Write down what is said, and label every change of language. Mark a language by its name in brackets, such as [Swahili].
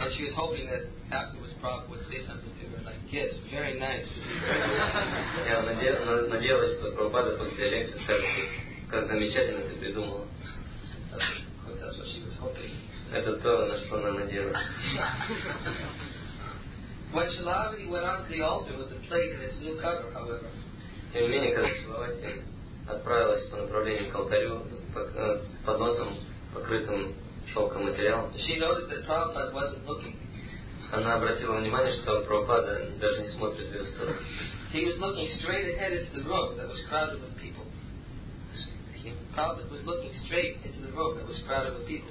[English] And she was hoping that afterwards Prabhupada would say something to her like, yes, very nice. [Russian] Я надеялась, что Прабхупада после лекции скажет, как замечательно ты придумала. [English] That's what she was hoping. [Russian] Это то, на что она надеялась. [English] When Shilavati went onto the altar with the plate and its new cover, however, [Russian] тем не менее, когда Шилавати отправилась по направлению к алтарю с подносом, покрытым шелковым материалом. [English] She noticed that Prabhupada wasn't looking. [Russian] Она обратила внимание, что Прабхупада даже не смотрит в ее сторону. [English] He was looking straight ahead into the room that was crowded with people. Prabhupada was looking straight into the room that was crowded with people.